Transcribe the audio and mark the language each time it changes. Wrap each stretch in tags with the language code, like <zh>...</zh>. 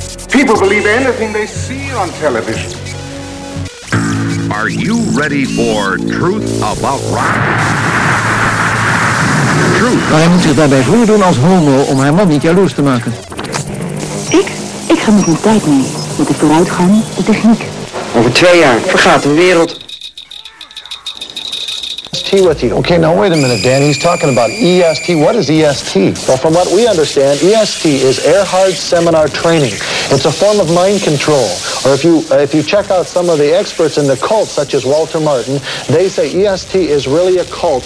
<en>People believe anything they see on television. Are you ready for truth about rock? Truth.</en> <nl>Maar hij moet zich daarbij voordoen als homo om haar man niet jaloers te maken. Ik ga met mijn tijd mee. Met de vooruitgang, de techniek. Over 2 jaar vergaat de wereld.</nl> <en>With you. Okay, now wait a minute, Dan. He's talking about EST. What is EST? Well, from what we understand, EST is Erhard Seminar Training. It's a form of mind control. Or if you check out some of the experts in the cult, such as Walter Martin, they say EST is really a cult.</en>